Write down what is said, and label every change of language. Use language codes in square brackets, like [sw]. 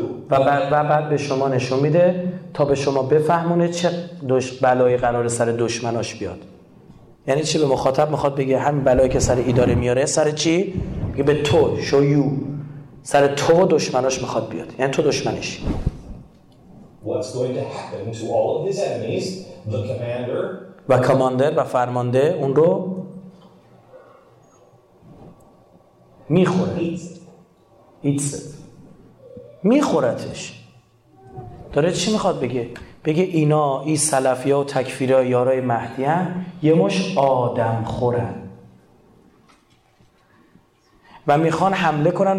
[fa] و بعد به شما نشون میده تا به شما بفهمونه چه بلایی قرار سر دشمناش بیاد. یعنی چی؟ به مخاطب میخواد بگه همین بلایی که سر اداره میاره سر چی؟ بگه به تو، شو یو، سر تو و دشمناش میخواد بیاد. یعنی تو دشمنش. [en] What's going to happen to all of his enemies? The commander. [fa] و کماندر و فرمانده اون رو میخوره. [en] It's it. میخورتش. [fa] داره چی میخواد بگه؟ بگه اینا ای سلفی ها و تکفیر ها یارای مهدی هن، یه مش آدم خورن و میخوان حمله کنن.